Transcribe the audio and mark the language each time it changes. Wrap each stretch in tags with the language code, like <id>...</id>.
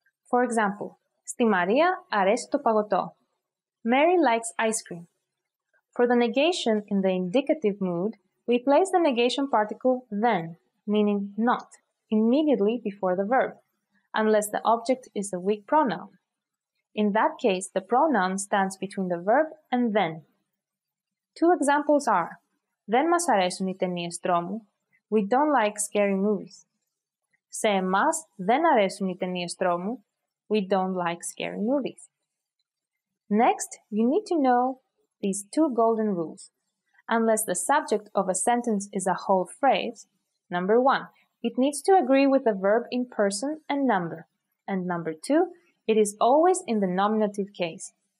<en>For example,</en> <el>στη Μαρία αρέσει το παγωτό.</el> <en>Mary likes ice cream. For the negation in the indicative mood, we place the negation particle then, meaning not, immediately before the verb, unless the object is a weak pronoun. In that case, the pronoun stands between the verb and then. Two examples are,</en> <el>δεν μας αρέσουν οι ταινίες τρόμου.</el> <en>We don't like scary movies.</en> <el>Σε εμάς δεν αρέσουν οι ταινίες τρόμου.</el> <en>We don't like scary movies. Next, you need to know these two golden rules. Unless the subject of a sentence is a whole phrase, number one, it needs to agree with the verb in person and number. And number two, it is always in the nominative case.</en>